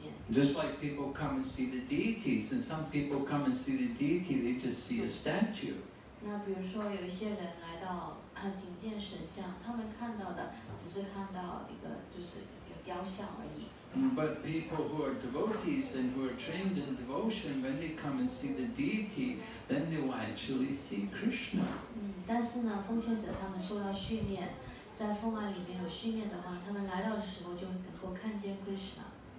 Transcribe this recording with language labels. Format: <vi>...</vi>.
<en>Just like people come and see the deities, and some people come and see the deity, they just see a statue.</en> <zh>那比如说有一些人来到觐见神像，他们看到的只是看到一个就是有雕像而已。</zh> <en>But people who are devotees and who are trained in devotion, when they come and see the deity, then they will actually see Krishna.</en> <zh>但是呢，奉献者他们受到训练，在奉爱里面有训练的话，他们来到的时候就能够看见 Krishna.</zh>